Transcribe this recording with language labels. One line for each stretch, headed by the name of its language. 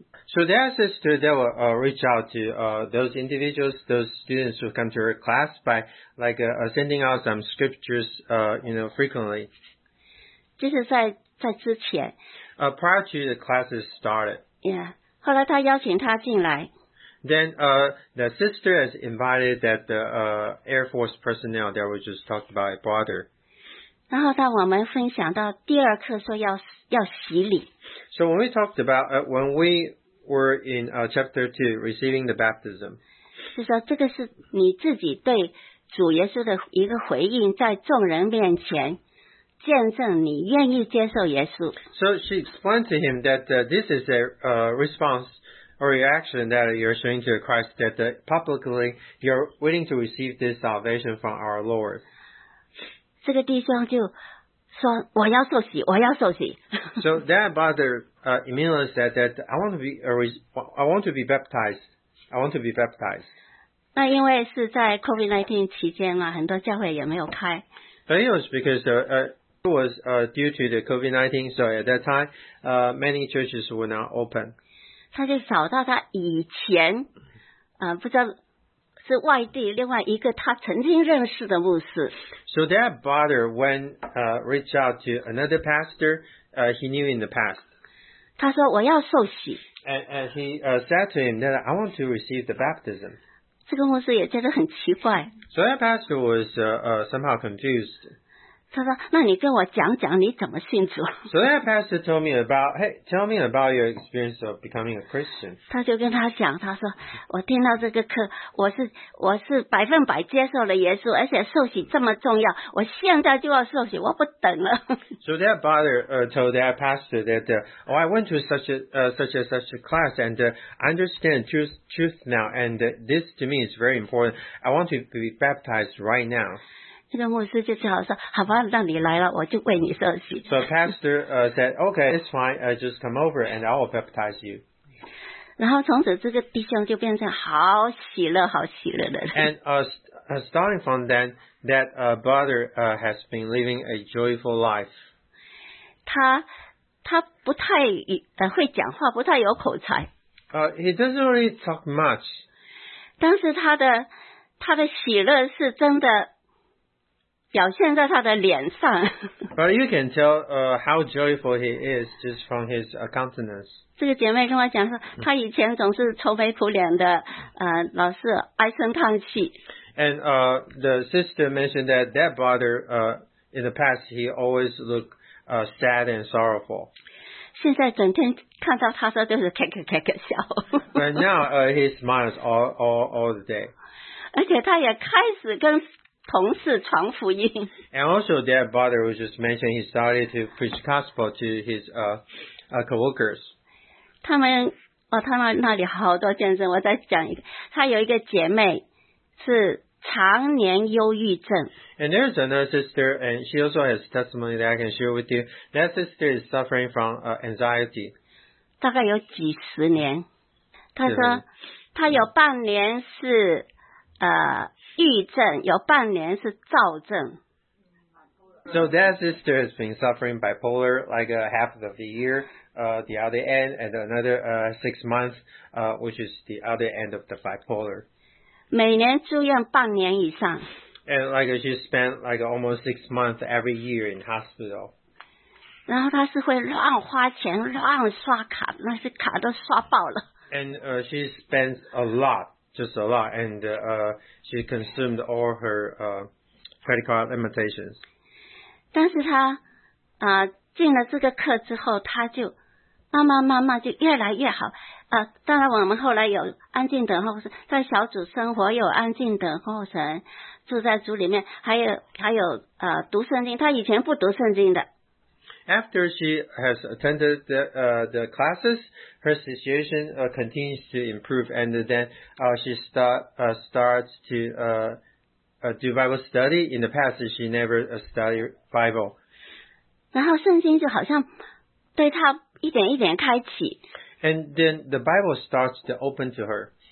English: So their sister, they will reach out to those individuals, those students who come to her class by like sending out some scriptures, frequently.
Chinese: 就是在之前。
English: Prior to the classes started.
Chinese: Yeah. 后来他邀请他进来。
English: Then the sister has invited that the Air Force personnel that we just talked about, brother.
Chinese: 然后当我们分享到第二课说要洗礼。
English: So when we talked about, when we were in chapter 2, receiving the baptism.
Chinese: 就说这个是你自己对主耶稣的一个回应，在众人面前见证你愿意接受耶稣。
English: So she explained to him that this is a response or reaction that you're showing to Christ, that publicly you're willing to receive this salvation from our Lord.
Chinese: 这个弟兄就说我要受洗，我要受洗。
English: So that brother, Emilio said that I want to be, I want to be baptized. I want to be baptized.
Chinese: 那因为是在 COVID-19 期间啊，很多教会也没有开。
English: But it was because it was due to the COVID-19. So at that time, many churches were not open.
Chinese: 他就找到他以前，不知道。是外地另外一个他曾经认识的牧师。
English: So that brother went reach out to another pastor he knew in the past.
Chinese: 他说我要受洗。
English: And he said to him that I want to receive the baptism.
Chinese: 这个牧师也觉得很奇怪。
English: So that pastor was somehow confused.
Chinese: 他说那你跟我讲讲你怎么信主。
English: So that pastor told me about, hey, tell me about your experience of becoming a Christian.
Chinese: 他就跟他讲，他说我听到这个课，我是百分百接受了耶稣，而且受洗这么重要，我现在就要受洗，我不等了。
English: So that brother told that pastor that, I went to such a class and understand truth now, and this to me is very important. I want to be baptized right now.
Chinese: 这个牧师就只好说：“好吧，让你来了，我就为你受洗。”
English: So pastor said, "Okay, it's fine. Just come over, and I will baptize you."
Chinese: 然后从此这个弟兄就变成好喜乐、好喜乐的人。
English: And starting from then, that brother has been living a joyful life.
Chinese: 他不太会讲话，不太有口才。
English: He doesn't really talk much.
Chinese: 但是他的喜乐是真的。表现在他的脸上。
English: But you can tell, how joyful he is just from his countenance.
Chinese: 这个姐妹跟我讲说，她以前总是愁眉苦脸的，老是唉声叹气。
English: And the sister mentioned that brother, in the past he always looked, sad and sorrowful.
Chinese: 现在整天看到他说就是开开开开笑。
English: But now, he smiles all the day.
Chinese: 而且他也开始跟。同事传福音。
English: And also that brother was just mentioned he started to preach gospel to his co-workers.
Chinese: 他们他们那里好多见证，我再讲一个。他有一个姐妹是常年忧郁症。
English: And there's another sister, and she also has testimony that I can share with you. That sister is suffering from anxiety.
Chinese: 大概有几十年。他说他有半年是郁症，有半年是躁症。
English: So that sister has been suffering bipolar like a half of the year, the other end, and another 6 months, which is the other end of the bipolar.
Chinese: 每年住院半年以上。
English: And like she spent like almost 6 months every year in hospital.
Chinese: 然后她是会乱花钱，乱刷卡，那些卡都刷爆了。
English: And she spends a lot. Just a lot, and she consumed all her credit card limitations.
Chinese: 但是她进了这个课之后，她就慢慢慢慢就越来越好。当然我们后来有安静等候神，在小组生活有安静等候神，住在组里面，还有读圣经。她以前不读圣经的。
English: After she has attended the classes, her situation continues to improve, and then she starts to do Bible study. In the past, she never studied Bible.
Chinese: 然后圣经就好像对她一点一点开启。
English: And then the Bible starts to open to her.